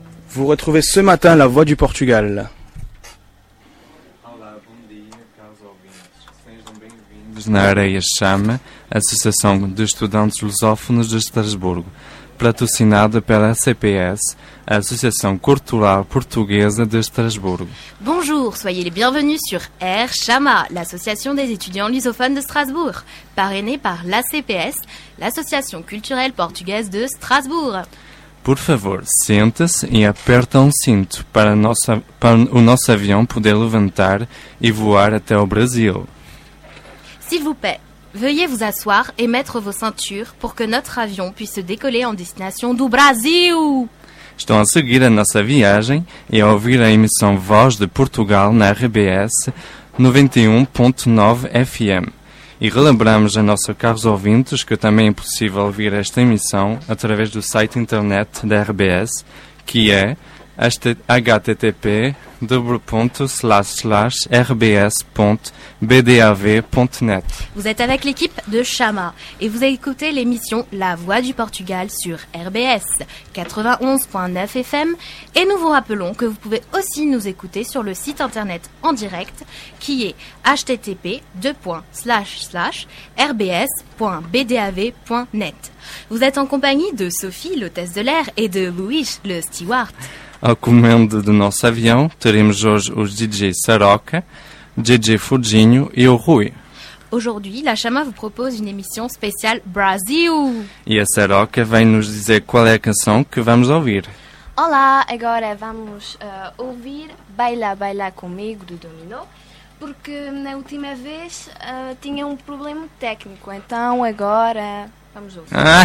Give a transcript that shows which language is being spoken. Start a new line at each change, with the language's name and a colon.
French: Vous retrouvez ce matin la voix du Portugal.
Portuguese: Olá, bom dia, caros ouvintes. Sejam bem-vindos na Areia Chama, Associação de Estudantes Lusófonos de Estrasburgo, patrocinada pela ACPS, a Associação Cultural Portuguesa de Estrasburgo.
French: Bonjour, soyez les bienvenus sur Air Chama, l'Association des étudiants lusophones de Strasbourg, parrainée par l'ACPS, l'Association Culturelle Portugaise de Strasbourg.
Portuguese: Por favor, senta-se e aperta um cinto para o nosso avião poder levantar e voar até o Brasil.
French: S'il vous plaît, veuillez vous asseoir et mettre vos ceintures pour que notre avion puisse décoller en destination du Brasil.
Portuguese: Estão a seguir a nossa viagem e a ouvir a emissão Voz de Portugal na RBS 91.9 FM. E relembramos a nossos caros ouvintes que também é possível ouvir esta emissão através do site internet da RBS, que é http://rbs.bdav.net.
French: Vous êtes avec l'équipe de Chama et vous écoutez l'émission La Voix du Portugal sur RBS 91.9 FM et nous vous rappelons que vous pouvez aussi nous écouter sur le site internet en direct qui est http://rbs.bdav.net. Vous êtes en compagnie de Sophie, l'hôtesse de l'air, et de Luís, le steward.
Portuguese: À comando do nosso avião, teremos hoje os DJ Saroca, DJ Fudinho e o Rui.
French: Aujourd'hui, la Chama vous propose une émission spéciale Brasil.
Portuguese: E a Saroca vai nos dizer qual é a canção que vamos ouvir. Olá, agora vamos ouvir Baila, Baila Comigo, do Dominó, porque na última vez tinha um problema técnico, então agora... Vamos ouvir.